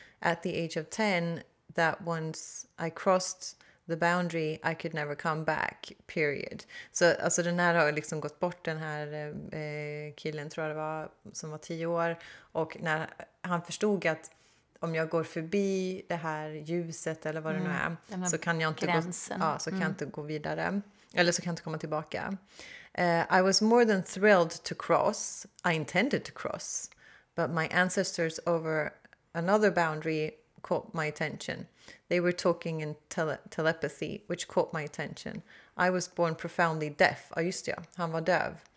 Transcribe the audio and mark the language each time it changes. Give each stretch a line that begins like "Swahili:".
English: At the age of 10, that once I crossed the boundary, I could never come back, period.
Swedish: Så alltså, den här har liksom gått bort, den här killen tror jag det var, som var 10 år. Och när han förstod att om jag går förbi det här ljuset eller vad det nu är, så kan jag inte inte gå vidare. Eller så kan jag inte komma tillbaka.
English: I was more than thrilled to cross. I intended to cross. But my ancestors over another boundary caught my attention. They were talking in telepathy, which caught my attention. I was born profoundly deaf.
Swedish: Ja, just det. Han var döv.